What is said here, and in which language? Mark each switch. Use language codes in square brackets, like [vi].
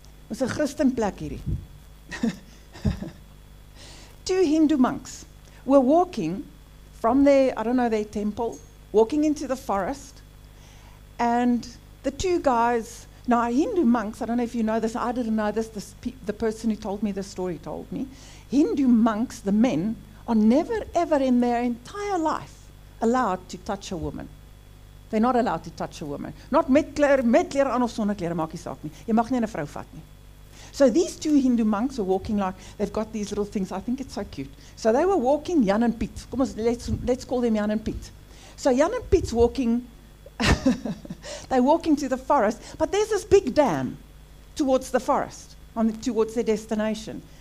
[en] It was a Christian [af] plek hierdie. [en] Two Hindu monks were walking from their, I don't know, their temple, walking into the forest, and the two guys, now Hindu monks, I don't know if you know this, I didn't know this, the person who told me the story told me, Hindu monks, the men, are never ever in their entire life allowed to touch a woman. They're not allowed to touch a woman. [af] Not met kler aan of sonder kler, maak jy saak nie. Jy mag nie in 'n vrou vat nie. [en] So these two Hindu monks are walking like, they've got these little things, I think it's so cute. So they were walking, Jan and Piet, [af] kom ons, [en] let's call them Jan and Piet. So Jan and Piet's walking, they're walking to the forest, but there's this big dam towards the forest, towards their destination.